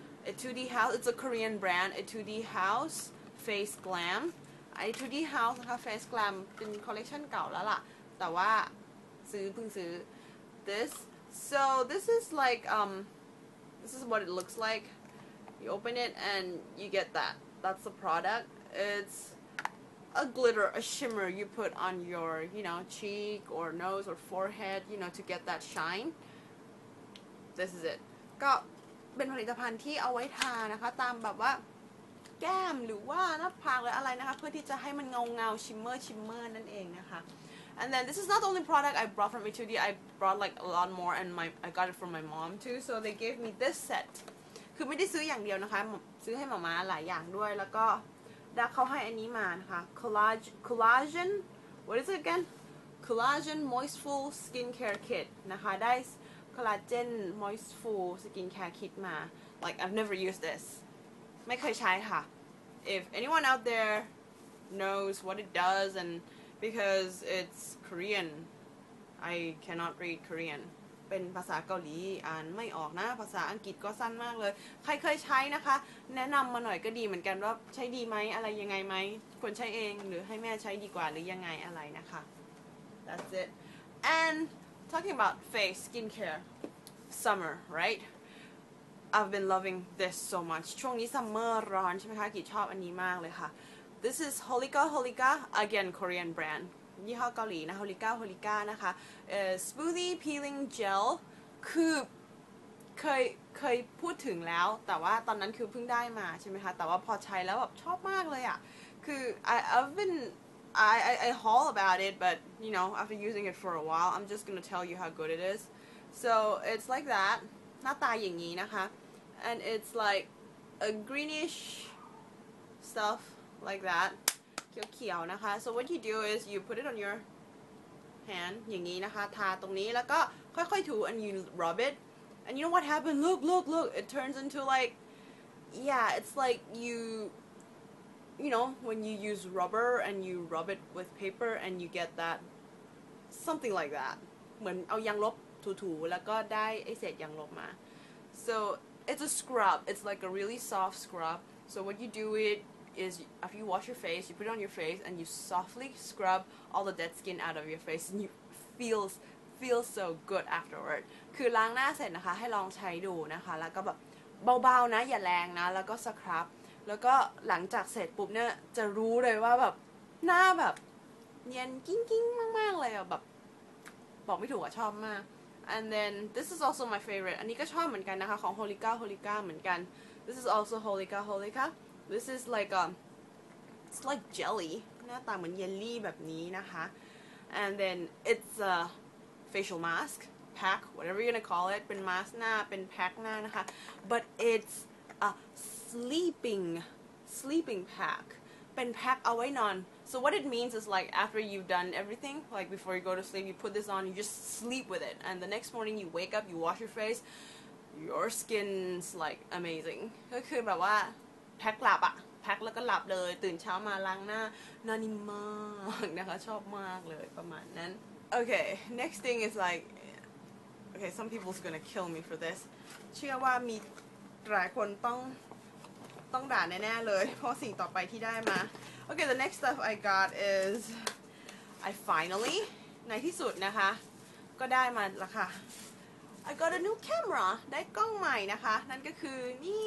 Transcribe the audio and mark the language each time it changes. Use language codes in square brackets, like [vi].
[en] Etude House it's a Korean brand Etude House Face GlamI 2D House นะคะ Face Glam [th] เป็นคอลเลคชันเก่าแล้วล่ะแต่ว่าซื้อเพิ่งซื้อ [en] this so this is like this is what it looks like you open it and you get that that's the product it's a glitter a shimmer you put on your you know cheek or nose or forehead you know to get that shine this is it [th] ก็เป็นผลิตภัณฑ์ที่เอาไว้ทานะคะตามแบบว่าแก้มหรือว่าหน้าผากหรืออะไรนะคะเพื่อที่จะให้มันเงาเงาชิมเมอร์ชิมเมอร์นั่นเองนะคะ [en] and then this is not the only product I brought from Etude I brought like a lot more and my I got it from my mom too so they gave me this set [th] คือไม่ได้ซื้ออย่างเดียวนะคะซื้อให้หมาม้าหลายอย่างด้วยแล้วก็ดาเขาให้อันนี้มานะคะ collagen [en] what is it again collagen moistful skincare kit นะคะได้ collagen moistful skincare kit มา like I've never used this [th] ไม่เคยใช้ค่ะ [en] If anyone out there knows what it does and because it's Korean I cannot read Korean [th] เป็นภาษาเกาหลีอ่านไม่ออกนะภาษาอังกฤษก็สั้นมากเลยใครเคยใช้นะคะแนะนำมาหน่อยก็ดีเหมือนกันว่าใช้ดีไหมอะไรยังไงไหมควรใช้เองหรือให้แม่ใช้ดีกว่าหรือยังไงอะไรนะคะ [en] That's it and talking about face skincare summer rightI've been loving this so much. [th] ช่วงนี้ซัมเมอร์ร้อนใช่ไหมคะกิ๊กชอบอันนี้มากเลยค่ะ [en] This is Holika Holika again Korean brand. [th] ยี่ห้อเกาหลีนะ Holika Holika นะคะ [en] smoothie peeling gel [th] คือเคยพูดถึงแล้วแต่ว่าตอนนั้นคือเพิ่งได้มาใช่ไหมคะแต่ว่าพอใช้แล้วแบบชอบมากเลยอ่ะคือ [en] I've been I haul about it, but you know, after using it for a while, I'm just gonna tell you how good it is. So it's like that, [th] หน้าตาอย่างนี้นะคะ [en] and it's like a greenish stuff like that, [th] เขียวๆนะคะ [en] so what you do is you put it on your hand [th] อย่างนี้นะคะทาตรงนี้แล้วก็ค่อยๆถู [en] and you rub it, and you know what happened? Look, it turns into like, yeah, it's like you know, when you use rubber and you rub it with paper and you get that, something like that. [th] เหมือนเอายางลบถูๆแล้วก็ได้ไอ้เศษยางลบมา [en] So it's a scrub. It's like a really soft scrub. So what you do it is after you wash your face, you put it on your face and you softly scrub all the dead skin out of your face and you feel so good afterward. [th] คือล้างหน้าเสร็จนะคะให้ลองใช้ดูนะคะแล้วก็แบบเบาๆนะอย่าแรงนะแล้วก็สครับแล้วก็หลังจากเสร็จปุ๊บเนี่ยจะรู้เลยว่าแบบหน้าแบบเนียนกิ้งกิ้งมากๆเลยอ่ะแบบบอกไม่ถูกอ่ะชอบมาก [en] and then this is also my favorite [th] อันนี้ก็ชอบเหมือนกันนะคะของ Holika เหมือนกัน [en] this is also Holika this is like it's like jelly [th] หน้าตาเหมือนเยลลี่แบบนี้นะคะ [en] and then it's a facial mask pack whatever you're gonna call it [th] เป็นมาสก์หน้าเป็นแพ็คหน้านะคะ [en] but it's aSleeping pack. Been pack away non. So what it means is like after you've done everything, like before you go to sleep, you put this on, you just sleep with it. And the next morning you wake up, you wash your face, your skin's like amazing. [th] ก็คือแบบว่าแพ็คหลับอะแพ็คแล้วก็หลับเลยตื่นเช้ามาล้างหน้านานิมากนะคะชอบมากเลยประมาณนั้น [en] Okay, next thing is like, okay, some people's gonna kill me for this. [th] เชื่อว่ามีหลายคนต้องด่าแน่ๆเลยเพราะสิ่งต่อไปที่ได้มา [en] Okay, the next stuff I got is I finally [th] ในที่สุดนะคะก็ได้มาแล้วค่ะ [en] I got a new camera [th] ได้กล้องใหม่นะคะนั่นก็คือนี